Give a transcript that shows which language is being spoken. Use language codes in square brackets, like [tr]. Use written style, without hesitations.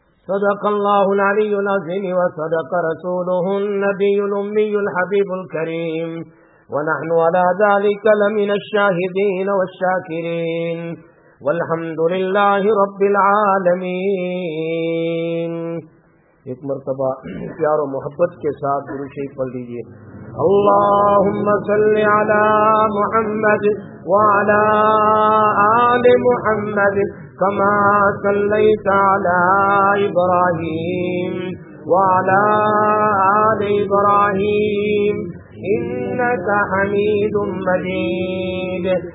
[ar] صدق الله العلي العظيم وصدق رسوله النبي الأمي الحبيب الكريم، ونحن على ذلك لمن الشاهدين والشاكرين، والحمد لله رب العالمين. [ur] ایک مرتبہ پیار و محبت کے ساتھ درود شریف پڑھ لیجیے. [ar] اللهم صل على محمد وعلى آل محمد كما صليت على ابراهيم وعلى آل ابراهيم إنك حميد مجيد.